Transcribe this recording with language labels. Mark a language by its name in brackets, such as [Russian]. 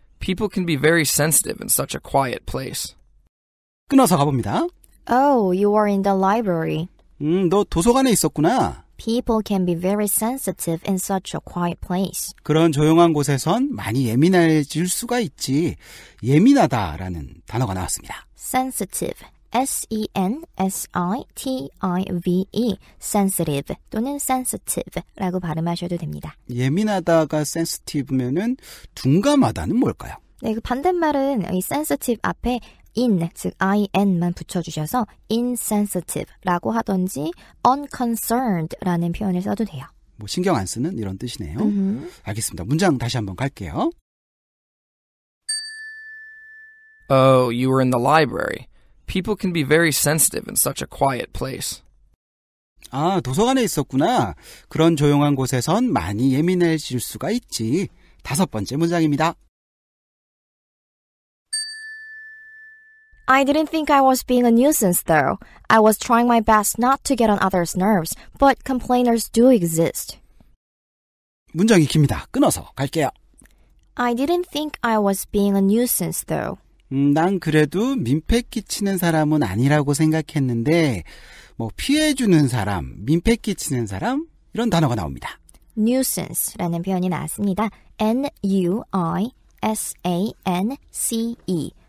[English] People can be very sensitive in such a quiet place. [Korean] 끊어서 가봅니다. [English] Oh, you were in the library. [Korean] 너 도서관에 있었구나. [English] People can be very sensitive in such a quiet place. [Korean] 그런 조용한 곳에선 많이 예민해질 수가 있지. 예민하다라는 단어가 나왔습니다. [English] Sensitive. S-E-N-S-I-T-I-V-E. [Korean] Sensitive 또는 sensitive라고 발음하셔도 됩니다. 예민하다가 sensitive면은 둔감하다는 뭘까요? 네, 그 반대말은 이 sensitive 앞에 in, 즉 in만 붙여주셔서 insensitive라고 하던지 unconcerned라는 표현을 써도 돼요. 뭐 신경 안 쓰는 이런 뜻이네요. Mm-hmm. 알겠습니다. 문장 다시 한번 갈게요. [English] Oh, you were in the library. People can be very sensitive in such a quiet place. [Korean] 아, 도서관에 있었구나. 그런 조용한 곳에선 많이 예민해질 수가 있지. 다섯 번째 문장입니다. [English] I didn't think I was being a nuisance, though. I was trying my best not to get on others' nerves, but complainers do exist. [Korean] 문장이 깁니다. 끊어서 갈게요. [English] I didn't think I was being a nuisance, though. [Korean] 난 그래도 민폐 끼치는 사람은 아니라고 생각했는데, 뭐 피해주는 사람, 민폐 끼치는 사람 이런 단어가 나옵니다. Nuisance라는 표현이 나왔습니다. N-U-I-S-A-N-C-E.